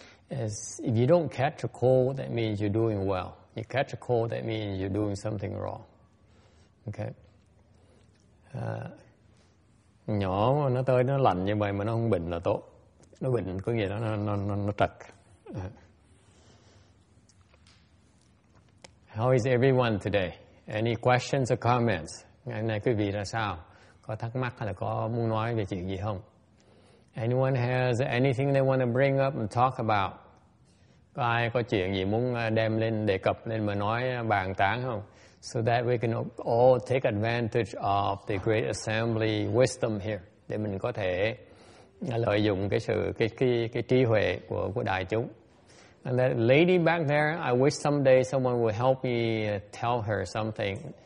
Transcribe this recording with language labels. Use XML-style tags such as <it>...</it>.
<en>As if you don't catch a cold, that means you're doing well. You catch a cold, that means you're doing something wrong. Okay?</en> <vi>Nhỏ nó tới nó lạnh như vậy mà nó không bệnh là tốt. Nó bệnh có nghĩa là nó trật.</vi> <en>How is everyone today? Any questions or comments?</en> <vi>Ngày hôm nay quý vị là sao? Có thắc mắc hay là có muốn nói về chuyện gì không?</vi> <en>Anyone has anything they want to bring up and talk about?</en> <vi>Có ai có chuyện gì muốn đem lên đề cập lên mà nói bàn tán không?</vi> <en>So that we can all take advantage of the great assembly wisdom here.</en> <vi>Để mình có thể lợi dụng cái sự cái trí huệ của đại chúng.</vi> <en>And that lady back there, I wish someday someone would help me tell her something.</en>